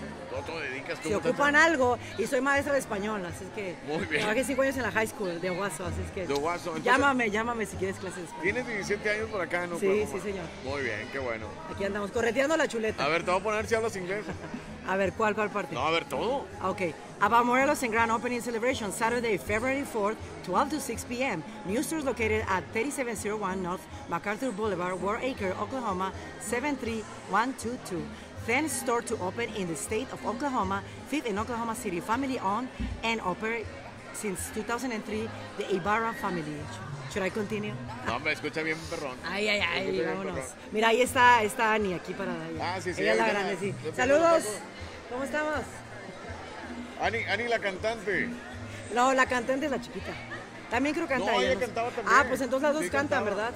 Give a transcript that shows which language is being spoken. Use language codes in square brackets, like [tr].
[es] ¿Tú te dedicas si ocupan tanto? Algo, y soy maestra de español, así es que. Muy bien. Trabajé 5 años en la high school de Oguazo, así es que. De Oguazo, entonces. Llámame si quieres clases de español. Tienes 17 años por acá, ¿no? Sí, sí, señor. Muy bien, qué bueno. Aquí andamos, correteando la chuleta. A ver, te voy a poner si hablas inglés. A ver, ¿cuál parte? No, a ver, todo. Ok. [en] About Morelos and Grand Opening Celebration, Saturday, February 4th, 12 to 6 p.m. New stores located at 3701 North MacArthur Boulevard, War Acre, Oklahoma, 73122. 10th store to open in the state of Oklahoma, 5th in Oklahoma City, family owned and operate since 2003, the Ibarra family. Should I continue? [es] No, me escucha bien, perrón. Ay, vámonos. Mira, ahí está Annie, aquí para allá. Ah, sí, sí. Ella es la grande, sí. Saludos. ¿Cómo estamos? Annie, la cantante. No, la cantante es la chiquita. También creo que canta. No, ella cantaba también. Ah, pues entonces las dos cantan, ¿verdad?